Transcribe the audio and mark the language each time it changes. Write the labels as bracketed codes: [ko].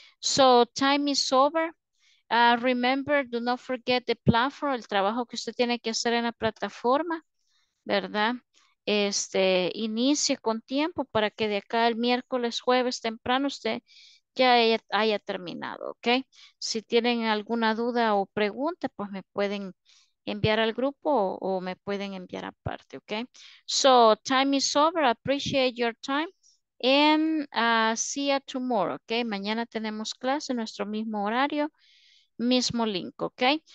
[en] So, time is over. Remember, do not forget the platform, [es] el trabajo que usted tiene que hacer en la plataforma, ¿verdad? Inicie con tiempo para que de acá el miércoles, jueves temprano usted ya haya terminado, ¿ok? Si tienen alguna duda o pregunta, pues me pueden enviar al grupo o me pueden enviar aparte, ¿ok? [en] So, time is over. I appreciate your time. And see you tomorrow, ¿ok? [es] Mañana tenemos clase en nuestro mismo horario, mismo link, ¿ok?